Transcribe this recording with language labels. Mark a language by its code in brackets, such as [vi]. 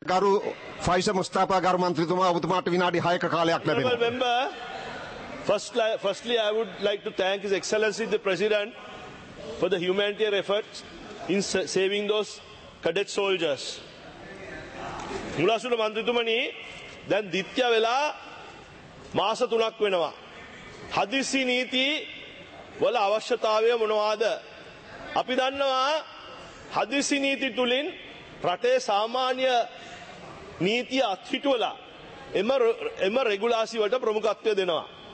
[si] ගරු ෆයිසර් මුස්තාපා ගරු මන්ත්‍රීතුමා ඔබතුමාට විනාඩි 6ක කාලයක් ලැබෙනවා. [en] Firstly, I would like to thank His Excellency the President for the humanitarian efforts in saving those cadet soldiers. [si] මුලාසුර මන්ත්‍රීතුමනි දැන් දිත්‍ය වෙලා මාස 3ක් වෙනවා. හදිසි නීති වල අවශ්‍යතාවය මොනවාද? අපි දන්නවා හදිසි නීති තුලින් රටේ සාමාන්‍ය නීතිය අත්හිටුවලා එම රෙගුලාසි වලට ප්‍රමුඛත්වය දෙනවා.